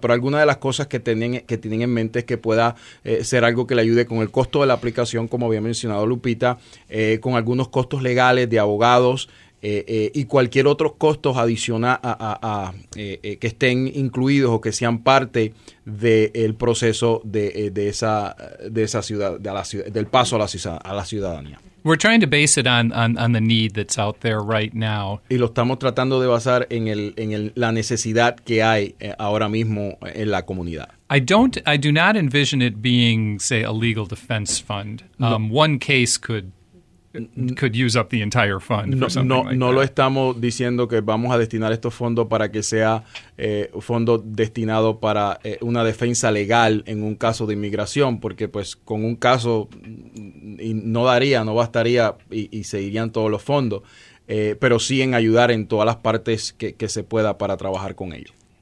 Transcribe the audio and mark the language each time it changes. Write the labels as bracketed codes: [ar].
[es] Pero alguna de las cosas que tienen en mente es que pueda ser algo que le ayude con el costo de la aplicación, como había mencionado Lupita, con algunos costos legales de abogados y cualquier otro costo adicional que estén incluidos o que sean parte del proceso del paso a la ciudadanía. [en] We're trying to base it on the need that's out there right now. [es] Y lo estamos tratando de basar en la necesidad que hay ahora mismo en la comunidad. [en] I do not envision it being, say, a legal defense fund. No. One case could use up the entire fund. [es] No, lo estamos diciendo que vamos a destinar estos fondos para que sea fondo destinado para una defensa legal en un caso de inmigración, porque pues con un caso no bastaría y seguirían todos los fondos, pero sí en ayudar en todas las partes que se pueda para trabajar con ellos.